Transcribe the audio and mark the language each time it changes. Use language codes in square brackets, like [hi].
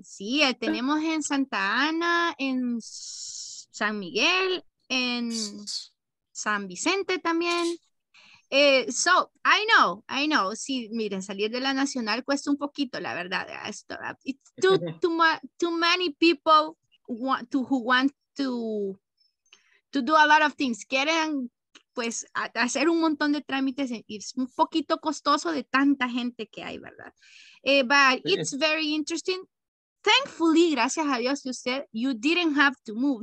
[es] Sí, tenemos en Santa Ana, en San Miguel, en San Vicente también. [en] So, I know. [es] Sí, miren, salir de la Nacional cuesta un poquito, la verdad. [en] It's too many people who want to do a lot of things. [es] Quieren pues hacer un montón de trámites y es un poquito costoso de tanta gente que hay, ¿verdad? [en] But it's very interesting. Thankfully, [es] gracias a Dios, [en] you didn't have to move.